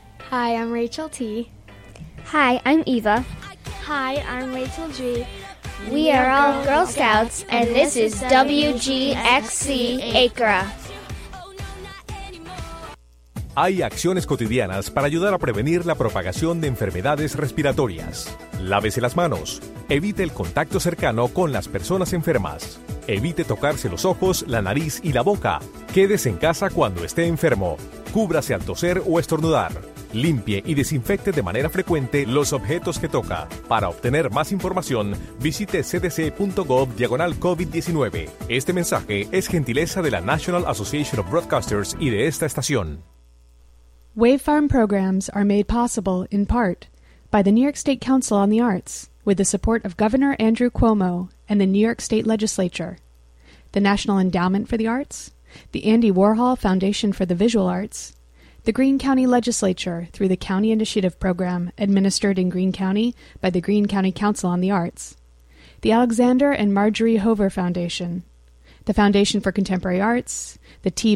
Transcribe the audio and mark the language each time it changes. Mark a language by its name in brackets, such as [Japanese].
[English] Hi, I'm Rachel T. Hi, I'm Eva. Hi, I'm Rachel G. We are all Girl Scouts, and this is WGXC ACRA. [Spanish] Hay acciones cotidianas para ayudar a prevenir la propagación de enfermedades respiratorias. Lávese las manos. Evite el contacto cercano con las personas enfermas. Evite tocarse los ojos, la nariz y la boca. Quédese en casa cuando esté enfermo. Cúbrase al toser o estornudar. Limpie y desinfecte de manera frecuente los objetos que toca. Para obtener más información, visite cdc.gov/COVID-19. Este mensaje es gentileza de la National Association of Broadcasters y de esta estación. [English] Wave Farm programs are made possible, in part, by the New York State Council on the Arts, with the support of Governor Andrew Cuomo and the New York State Legislature, the National Endowment for the Arts, the Andy Warhol Foundation for the Visual Arts, the Greene County Legislature through the County Initiative Program administered in Greene County by the Greene County Council on the Arts, the Alexander and Marjorie Hover Foundation, the Foundation for Contemporary Arts, the T.